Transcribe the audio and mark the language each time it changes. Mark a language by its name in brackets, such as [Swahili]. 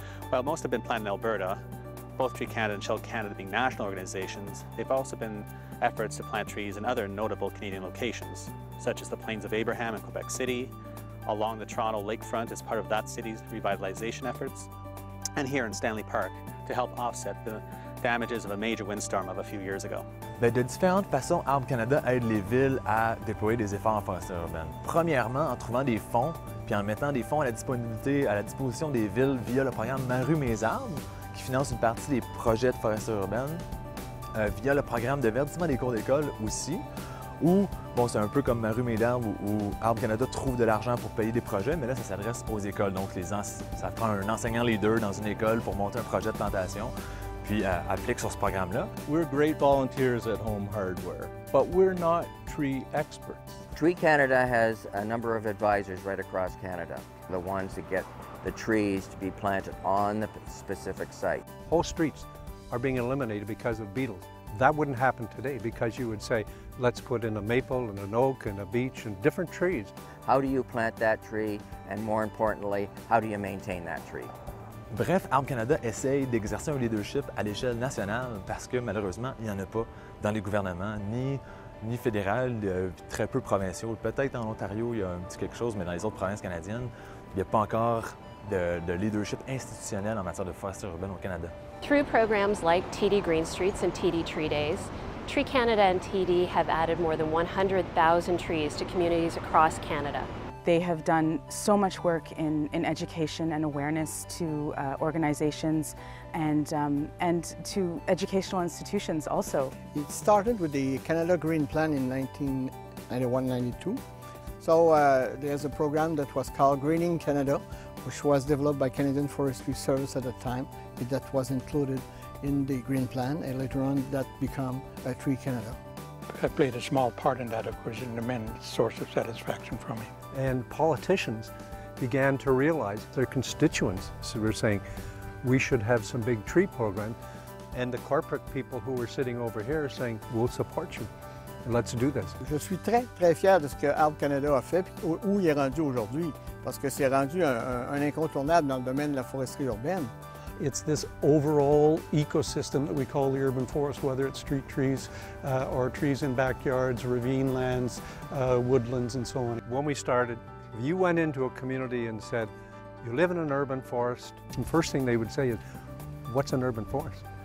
[English] While most have been planted in Alberta, both Tree Canada and Shell Canada being national organizations, they've also been efforts to plant trees in other notable Canadian locations, such as the Plains of Abraham in Quebec City, along the Toronto lakefront as part of that city's revitalization efforts, and here in Stanley Park to help offset the damages of a major windstorm of a few years ago. [French] Bien, de différentes façons, Arbres Canada aide les villes à déployer des efforts en forêt urbaine. Premièrement, en trouvant des fonds, puis en mettant des fonds à la disposition des villes via le programme Ma rue, mes arbres, qui finance une partie des projets de forêt urbaine, via le programme de verdissement des cours d'école aussi, où, bon, c'est un peu comme Ma rue, mes arbres, où Arbres Canada trouve de l'argent pour payer des projets, mais là, ça s'adresse aux écoles. Donc, ça prend un enseignant leader dans une école pour monter un projet de plantation. Applique sur ce programme-là. [English] We're great volunteers at Home Hardware, but we're not tree experts. Tree Canada has a number of advisors right across Canada, the ones that get the trees to be planted on the specific site. Whole streets are being eliminated because of beetles. That wouldn't happen today because you would say, let's put in a maple and an oak and a beech and different trees. How do you plant that tree? And more importantly, how do you maintain that tree? [French] Bref, Arbres Canada essaye d'exercer un leadership à l'échelle nationale parce que malheureusement, il n'y en a pas dans les gouvernements, ni fédéral, très peu provinciaux. Peut-être en Ontario, il y a un petit quelque chose, mais dans les autres provinces canadiennes, il n'y a pas encore de leadership institutionnel en matière de forêt urbaine au Canada. [English] Through programs like TD Green Streets and TD Tree Days, Tree Canada and TD have added more than 100,000 trees to communities across Canada. They have done so much work in education and awareness to organizations and to educational institutions also. It started with the Canada Green Plan in 1991-92. So there's a program that was called Greening Canada, which was developed by Canadian Forestry Service at the time. That was included in the Green Plan, and later on that became Tree Canada. I played a small part in that, of course, an immense source of satisfaction for me. And politicians began to realize, their constituents were saying, we should have some big tree program. And the corporate people who were sitting over here saying, we'll support you. Let's do this. [French] Je suis très, très fier de ce que Arbres Canada a fait, où il est rendu aujourd'hui, parce que c'est rendu un incontournable dans le domaine de la foresterie urbaine. [English] It's this overall ecosystem that we call the urban forest, whether it's street trees or trees in backyards, ravine lands, woodlands, and so on. When we started, if you went into a community and said, you live in an urban forest, the first thing they would say is, what's an urban forest?